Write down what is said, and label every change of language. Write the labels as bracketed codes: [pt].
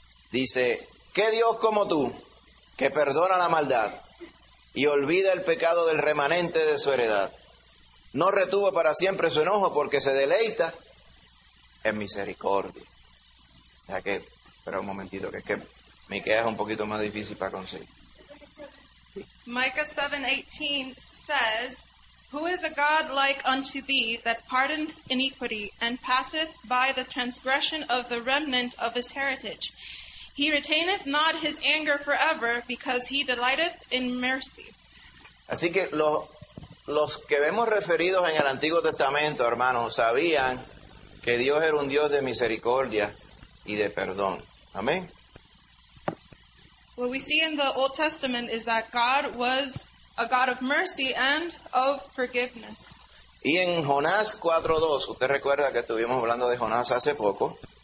[es] Dice, ¿qué Dios como tú que perdona la maldad y olvida el pecado del remanente de su heredad? No retuvo para siempre su enojo porque se deleita en misericordia. Ya que, espera un momentito, que es que Micah es un poquito más difícil para conseguir. [en] Micah 7:18 says, "Who is a God like unto thee that pardons iniquity and passeth by the transgression of the remnant of his heritage? He retaineth not his anger forever, because he delighteth in mercy." [es] Así que los que vemos referidos en el Antiguo Testamento, hermanos, sabían que Dios era un Dios de misericordia y de perdón. Amén. [en] What we see in the Old Testament is that God was a God of mercy and of forgiveness. [es] Y en Jonás 4:2, usted recuerda que estuvimos hablando de Jonás hace poco.